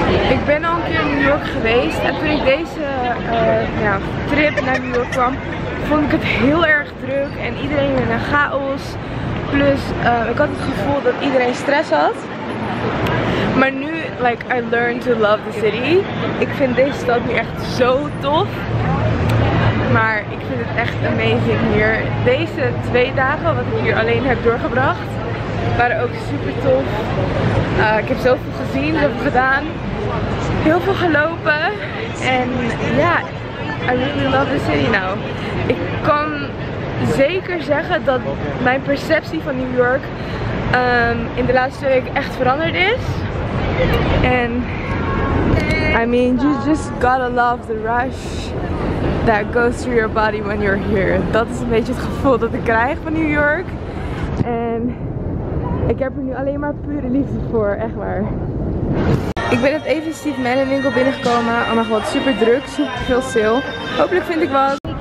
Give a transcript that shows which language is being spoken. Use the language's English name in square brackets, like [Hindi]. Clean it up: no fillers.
[Dutch] Ik ben al een keer in New York geweest. En toen ik deze trip naar New York kwam, vond ik het heel erg druk. En iedereen in een chaos. Plus, ik had het gevoel dat iedereen stress had. Maar nu, [English] like, I learned to love the city. [Dutch] Ik vind deze stad nu echt zo tof. Maar ik vind het echt amazing hier. Deze twee dagen, wat ik hier alleen heb doorgebracht, waren ook super tof. Ik heb zoveel gezien, zoveel gedaan. Heel veel gelopen. En ja, [English] I really love the city now. [Dutch] Ik kan zeker zeggen dat mijn perceptie van New York in de laatste week echt veranderd is. [English] En I mean, you just gotta love the rush that goes through your body when you're here. [Dutch] Dat is een beetje het gevoel dat ik krijg van New York. En ik heb er nu alleen maar pure liefde voor, echt waar. Ik ben net even Steve Madden winkel binnengekomen. Oh mijn god, super druk, super veel sale. Hopelijk vind ik wat.